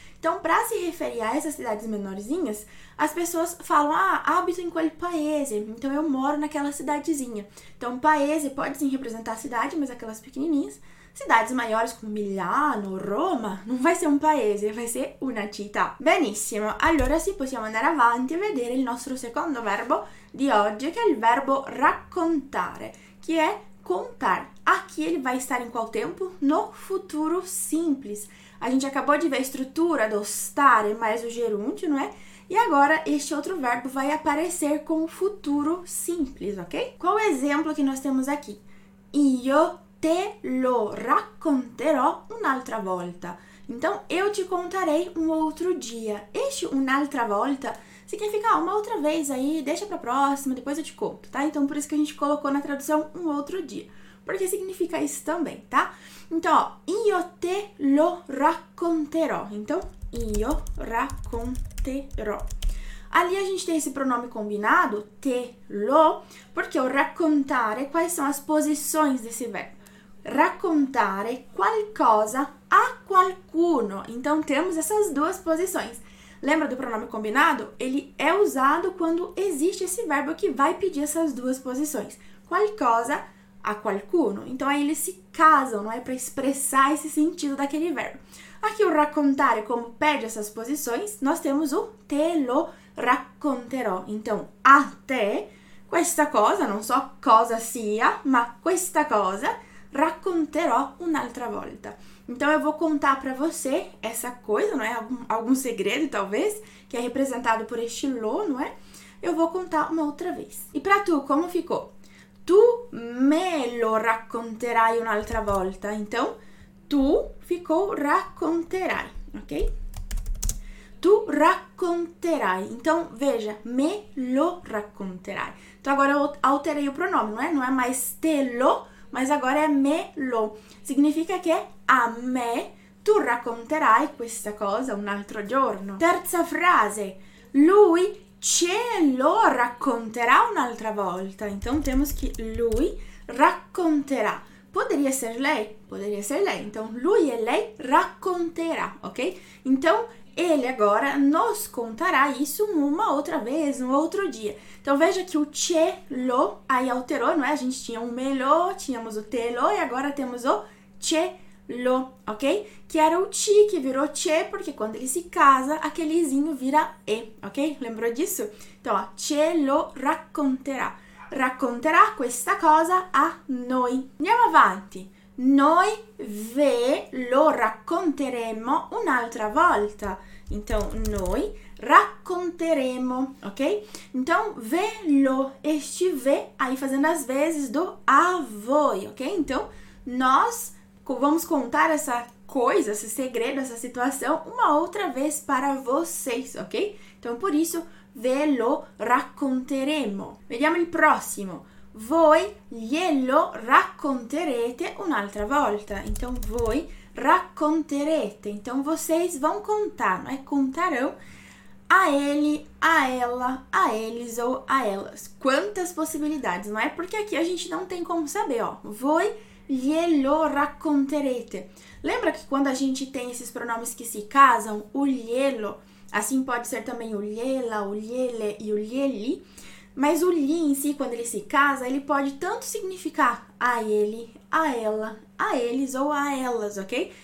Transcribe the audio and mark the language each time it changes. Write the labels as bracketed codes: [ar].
[pt] Então, para se referir a essas cidades menorzinhas, as pessoas falam: [it] ah, abito in quel paese. [pt] Então, eu moro naquela cidadezinha. Então, paese pode sim representar a cidade, mas aquelas pequenininhas. Cidades maiores como Milano, Roma, não vai ser um paese, vai ser una città. [it] Benissimo, allora sì, possiamo andare avanti e vedere il nostro secondo verbo di oggi, che è il verbo raccontare, che è contar. [pt] Aqui ele vai estar em qual tempo? No futuro simples. A gente acabou de ver a estrutura do stare mais o gerúndio, não é? E agora este outro verbo vai aparecer com o futuro simples, ok? Qual o exemplo que nós temos aqui? Io [it] te lo racconterò un'altra volta. [pt] Então, eu te contarei um outro dia. Este [it] un'altra volta [pt] significa uma outra vez aí, deixa pra próxima, depois eu te conto, tá? Então, por isso que a gente colocou na tradução um outro dia. Porque significa isso também, tá? Então, ó, [it] io te lo racconterò. Então, io racconterò. [pt] Ali a gente tem esse pronome combinado, te lo, porque o raccontare, quais são as posições desse verbo? [it] Raccontare qualcosa a qualcuno. [pt] Então, temos essas duas posições. Lembra do pronome combinado? Ele é usado quando existe esse verbo que vai pedir essas duas posições. [it] Qualcosa a qualcuno. [pt] Então, aí eles se casam, não é? Para expressar esse sentido daquele verbo. Aqui o raccontare, como pede essas posições, nós temos o [it] te lo racconterò. Então, a te, questa cosa, non so cosa sia, ma questa cosa, racconterò un'altra volta. [pt] Então, eu vou contar pra você essa coisa, não é? Algum segredo, talvez, que é representado por este lo, não é? Eu vou contar uma outra vez. E pra tu, como ficou? [it] Tu me lo racconterai un'altra volta. [pt] Então, tu ficou racconterai, ok? [it] Tu racconterai. [pt] Então, veja, [it] me lo racconterai. [pt] Então, agora eu alterei o pronome, não é? Não é mais te lo, mas agora é me lo. Significa que [it] a me tu racconterai questa cosa un altro giorno. Terza frase. Lui ce lo racconterà un'altra volta. [pt] Então, temos que [it] lui racconterà. [pt] Poderia ser lei? Poderia ser lei. Então, lui e lei racconterà, ok? Então, ele agora nos contará isso uma outra vez, um outro dia. Então, veja que o te lo aí alterou, não é? A gente tinha o me lo, tínhamos o te lo e agora temos o te lo, ok? Que era o ti que virou te, porque quando ele se casa, aquelezinho vira e, ok? Lembrou disso? Então, ó, [it] te lo racconterà. Racconterà questa cosa a noi. Andiamo avanti. Noi ve lo racconteremo un'altra volta. [pt] Então, [it] noi racconteremo, [pt] ok? Então, ve lo, este ve, aí fazendo as vezes do a voi, ok? Então, nós vamos contar essa coisa, esse segredo, essa situação, uma outra vez para vocês, ok? Então, por isso, [it] ve lo racconteremo. Vediamo il prossimo. Voi glielo racconterete un'altra volta. [pt] Então, [it] voi racconterete. [pt] Então, vocês vão contar, não é? Contarão a ele, a ela, a eles ou a elas. Quantas possibilidades, não é? Porque aqui a gente não tem como saber, ó. [it] Voi glielo racconterete. [pt] Lembra que quando a gente tem esses pronomes que se casam, o glielo, assim pode ser também o gliela, o gliele e o glieli, mas o li em si, quando ele se casa, ele pode tanto significar a ele, a ela, a eles ou a elas, ok?